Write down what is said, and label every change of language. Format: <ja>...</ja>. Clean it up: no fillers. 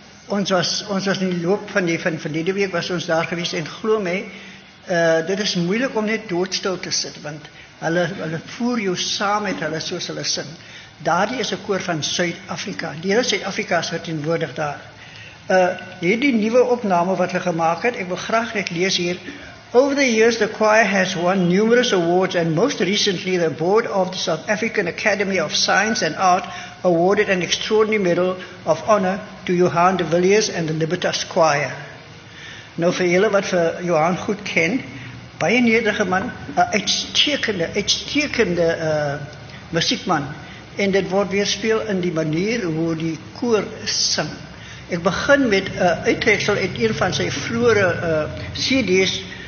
<af>Ons was in die loop van die verlede week was ons daar gewees, en glo my, dit is moeilik om net doodstil te sit, want hulle voer jou saam met hulle soos hulle sing. Daardie is 'n koor van Suid-Afrika. Die hele Suid-Afrika is verteenwoordig daar. Hierdie nuwe opname wat hulle gemaak het, ek wil graag net lees hier.</af> <en>Over the years, the choir has won numerous awards, and most recently, the board of the South African Academy of Science and Art awarded an extraordinary medal of honor to Johan de Villiers and the Libertas Choir.</en> <af>Nou, vir julle wat vir Johan goed ken, baie nederige man, 'n uitstekende musiekman, en dit word weerspeel in die manier hoe die koor sing. Ek begin met 'n uittreksel uit een van sy vroeë CD's.</af>